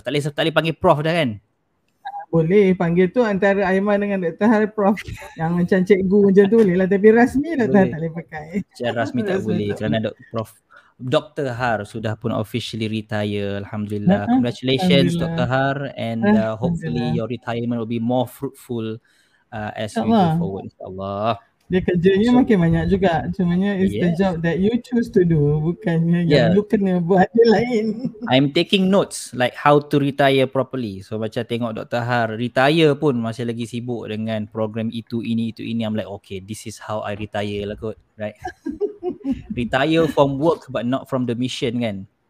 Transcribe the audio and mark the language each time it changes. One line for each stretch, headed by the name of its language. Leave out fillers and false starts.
Malay: Tak boleh panggil Prof dah kan? Boleh panggil tu antara Aiman dengan Dr. Har Prof yang macam cikgu macam tu boleh lah, tapi rasmi Dr. Har tak boleh pakai. Secara rasmi tak boleh kerana Prof Dr. Har sudah pun
English: officially retire.
Malay: Alhamdulillah.
English: Congratulations
Malay: Alhamdulillah. Dr.
English: Har, and hopefully your retirement will be more fruitful as we go forward, insyaAllah.
Malay: Dia kerjanya makin banyak juga. Cumanya
English: it's the job that you choose to do,
Malay: bukannya yang you kena buat dia lain.
English: I'm taking notes like how to retire properly.
Malay: So macam tengok Dr. Har retire pun masih lagi sibuk dengan program itu, ini, itu, ini.
English: I'm like, okay, this is how I retire
Malay: lah kot.
English: Right? Retire from work but not from the mission
Malay: kan?